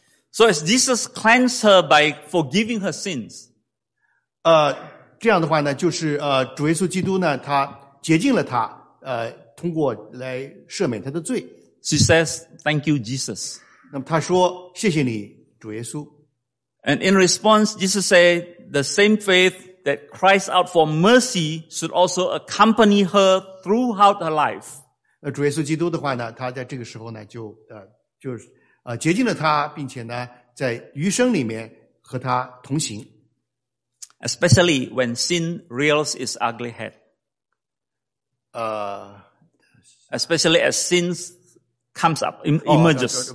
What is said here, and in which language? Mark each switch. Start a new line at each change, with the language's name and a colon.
English: So as Jesus cleansed her by forgiving her sins,
Chinese: 这样的话呢，就是主耶稣基督呢，他洁净了他，通过来赦免他的罪。
English: She says, "Thank you, Jesus."
Chinese: 那么他说，谢谢你，主耶稣。
English: And in response, Jesus said, "The same faith that cries out for mercy should also accompany her throughout her life."
Chinese: 主耶稣基督的话呢，他在这个时候呢，就洁净了他，并且呢，在余生里面和他同行。
English: Especially when sin rears its ugly head. Especially as sin comes up, emerges.